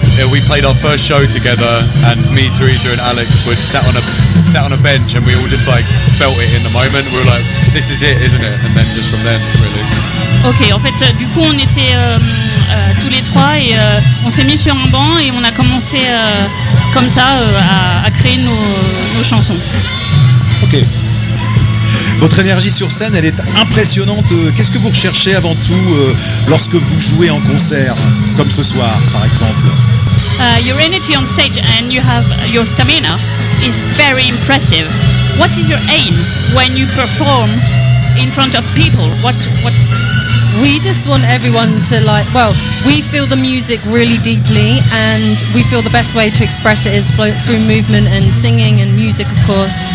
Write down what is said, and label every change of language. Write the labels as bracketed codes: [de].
[en] we played our first show together, and me, Teresa, and Alex were sat on a bench, and we all just like felt it in the moment. We were like, this is it, isn't it? And then just from then, really. [fr] Ok, en fait, du coup, on était tous les trois et on s'est mis sur un banc et on a commencé comme ça à créer nos chansons. Ok. Votre énergie sur scène, elle est impressionnante. Qu'est-ce que vous recherchez avant tout lorsque vous jouez en concert, comme ce soir, par exemple? [en] Your energy on stage and you have your stamina is very impressive. What is your aim when you perform in front of people? What We just want everyone to like, well, we feel the music really deeply and we feel the best way to express it is through movement and singing and music, of course.